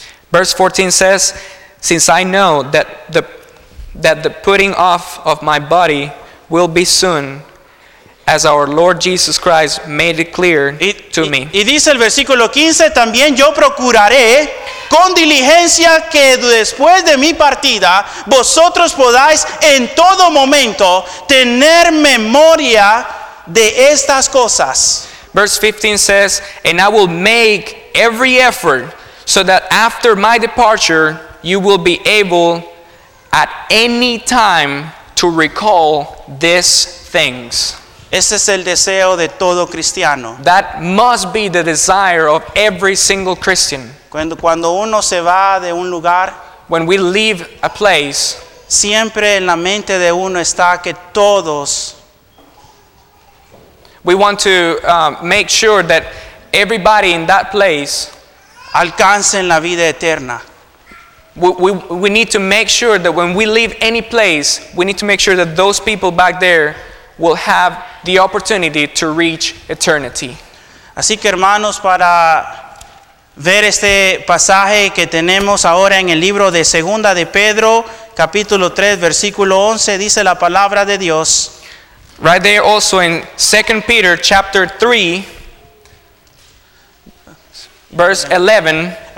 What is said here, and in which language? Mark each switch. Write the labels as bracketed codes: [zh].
[en] Verse 14 says, since I know that the putting off of my body will be soon, as our Lord Jesus Christ made it clear to me. [es] Y dice el versículo 15, también yo procuraré con diligencia que después de mi partida, vosotros podáis en todo momento tener memoria de estas cosas. [en] Verse 15 says, and I will make every effort so that after my departure, you will be able at any time to recall these things. [es] Ese es el deseo de todo cristiano. [en] That must be the desire of every single Christian. [es] Cuando uno se va de un lugar, [en] when we leave a place, [es] siempre en la mente de uno está que todos. [en] We want to make sure that everybody in that place [es] alcancen la vida eterna. [en] We need to make sure that when we leave any place, we need to make sure that those people back there will have the opportunity to reach eternity. [es] Así que hermanos, para ver este pasaje que tenemos ahora en el libro de Segunda de Pedro, capítulo 3, versículo 11, dice la palabra de Dios. [en] Right there also in 2 Peter chapter 3, verse 11,